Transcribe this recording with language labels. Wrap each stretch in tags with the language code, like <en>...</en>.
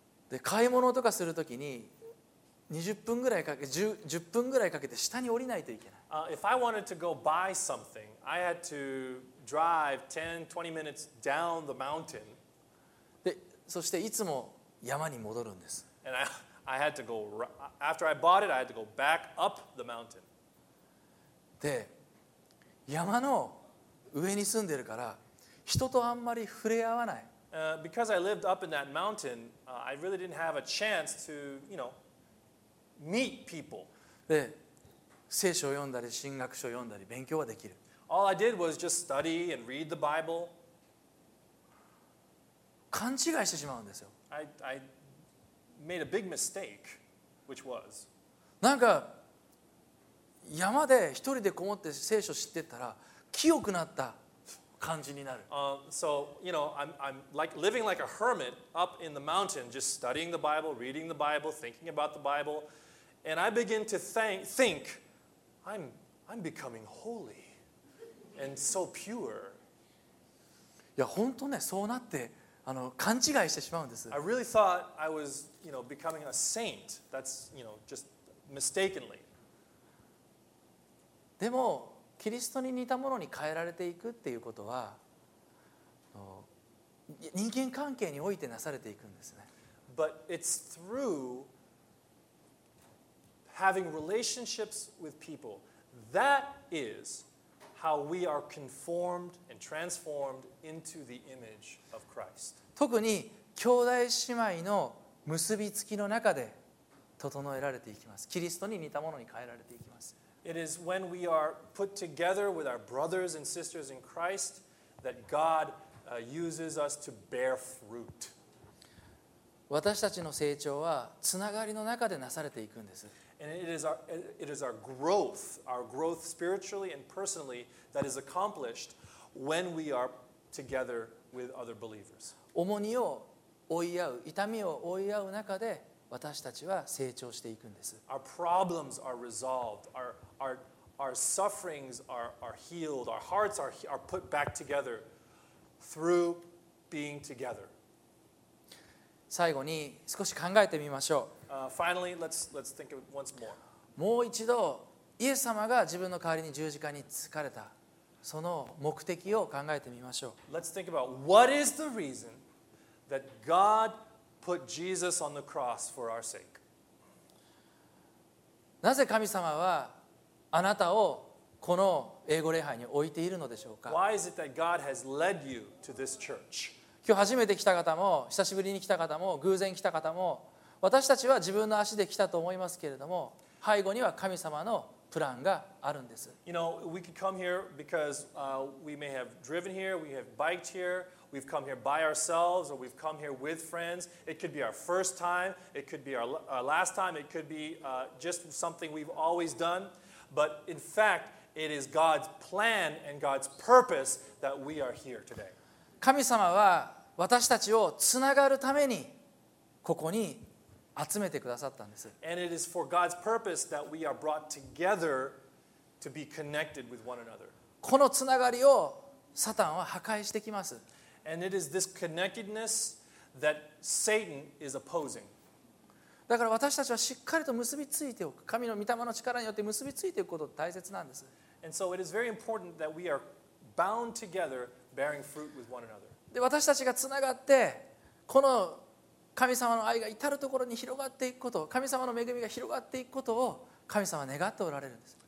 <ja>で、買い物とかするときに、20分ぐらいかけて下に降りないといけない。</ja> <en>If I wanted to go buy something, I had to drive 10, 20 minutes down the mountain.</en> <ja>で、そしていつも山に戻るんです。</ja> <en>And I had to go after I bought it, I had to go back up the mountain.</en> <ja>で、山の上に住んでるから人とあんまり触れ合わない。</ja> <en>Because I lived up in that mountain, I really didn't have a chance to, you know,Meet people.</en> <ja>で、聖書を読んだり、神学書を読んだり、勉強はできる。</ja> <en>All I did was just study and read the Bible.</en> <ja>勘違いしてしまうんですよ。</ja> <en>I made a big mistake, which was.</en> <ja>なんか山で一人でこもって聖書を知ってたら、清くなった感じになる。</ja> <en>So you know, I'm like living like a hermit up in the mountain, just studying the Bible, reading the Bible, thinking about the Bible. And I begin to think, I'm becoming holy and so pure.</en> <ja>いや本当ね、そうなって勘違いしてしまうんです。</ja> <en>I really thought I was, you know, becoming a saint. That's, you know, just mistakenly.</en> <ja>でもキリストに似たものに変えられていくっていうことは、人間関係においてなされていくんですね。</ja> <en>But it's throughHaving relationships with people, that is how we are conformed and transformed into the image of Christ.</en> <ja>特に兄弟姉妹の結びつきの中で整えられていきます。キリストに似たものに変えられていきます。</ja> <en>It is when we are put together with our brothers and sisters in Christ that God uses us to bear fruit.</en> <ja>私たちの成長はつながりの中でなされていくんです。</ja> <en>And it is our growth, our growth spiritually and personally that is accomplished when we are together with other believers.</en> <ja>重荷を追い合う、痛みを追い合う中で私たちは成長していくんです。</ja> <en>Our problems are resolved, our sufferings are healed, our hearts are put back together through being together.</en> <ja>最後に少し考えてみましょう。</ja> <en>Finally, let's think once more.</en> <ja>もう一度イエス様が自分の代わりに十字架につかれたその目的を考えてみましょう。</ja> <en>Let's think about what is the reason that God put Jesus on the cross for our sake.</en> <ja>なぜ神様はあなたをこの英語礼拝に置いているのでしょうか。</ja> <en>Why is it that God has led you to this church?</en> <ja>今日初めて来た方も久しぶりに来た方も偶然来た方も私たちは自分の足で来たと思いますけれども背後には神様のプランがあるんです。</ja> <en>You know, we could come here because we may have driven here, we have biked here, we've come here by ourselves, or we've come here with friends. It could be our first time, it could be our last time, it could be just something we've always done. But in fact, it is God's plan and God's purpose that we are here today.</en> <ja>神様は私たちをつながるためにここに集めてくださったんです。</ja> <en>And it is for God's purpose that we are brought together to be connected with one another.</en> <ja>このつながりをサタンは破壊してきます。</ja> <en>And it is this connectedness that Satan is opposing.</en> <ja>だから私たちはしっかりと結びついておく。神の御霊の力によって結びついておくことが大切なんです。</ja> <en>And so it is very important that we are bound together. Bearing fruit with one another.</en> <ja>で私たちがつながってこの神様の愛が至るところに広がっていくこと、神様の恵みが広がっていくことを神様は願っておられるんです。</ja>